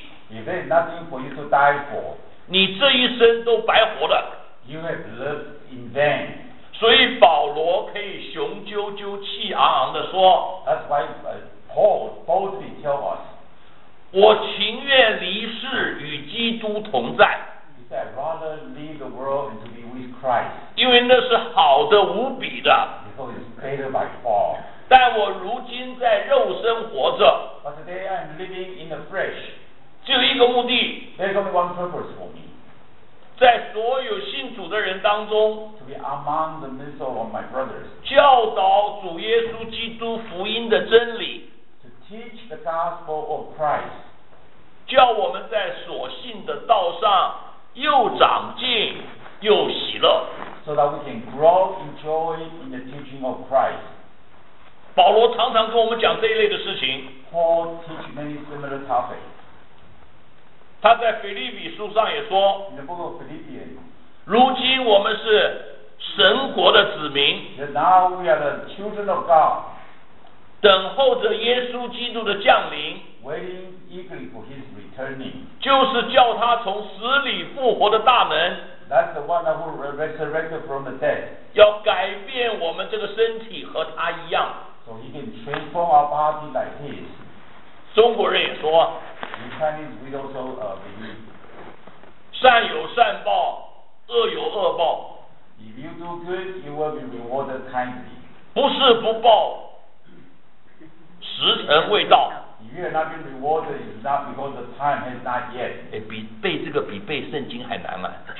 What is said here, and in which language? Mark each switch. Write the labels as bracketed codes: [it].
[en] If there is nothing for you to die for [zh] 你这一生都白活了 [en] You have lived in vain [zh] 所以保罗可以雄赳赳气昂昂地说 [en] That's why Paul boldly tells us [zh] 我情愿离世与基督同在 [en] He said I'd rather leave the world and to be with Christ [zh] 因为那是好的无比的 [en] Because it's better by far [zh] 但我如今在肉身活着 [en] But today I am living in the flesh. [zh] 只有一个目的。 [en] There's only one purpose for me. [zh] 在所有信主的人当中。 [en] To be among the ministers of my brothers. [zh] 教导主耶稣基督福音的真理。 [en] To teach the gospel of Christ. [zh] 叫我们在所信的道上又长进又喜乐。 [en] So that we can grow in joy in the teaching of Christ. [zh] 保罗常常跟我们讲这一类的事情 [en] Paul teach many similar topics [zh] 他在腓立比书上也说 [en] In the book of Philippians [zh] 如今我们是神国的子民 [en] Now we are the children of God [zh] 等候着耶稣基督的降临 [en] Waiting eagerly for his returning [zh] 就是叫他从死里复活的大门 [en] That's the one that will resurrect from the dead [zh] 要改变我们这个身体和他一样 [en] So he can transform our body like his. [zh] 中国人也说 [en] In Chinese, we also believe. [zh] 善有善报，恶有恶报。 [en] If you do good, you will be rewarded kindly. [zh] 不是不报，时辰未到。 [en] If you are not being rewarded, it's not because the time has not yet. [zh] 比背这个比背圣经还难啊。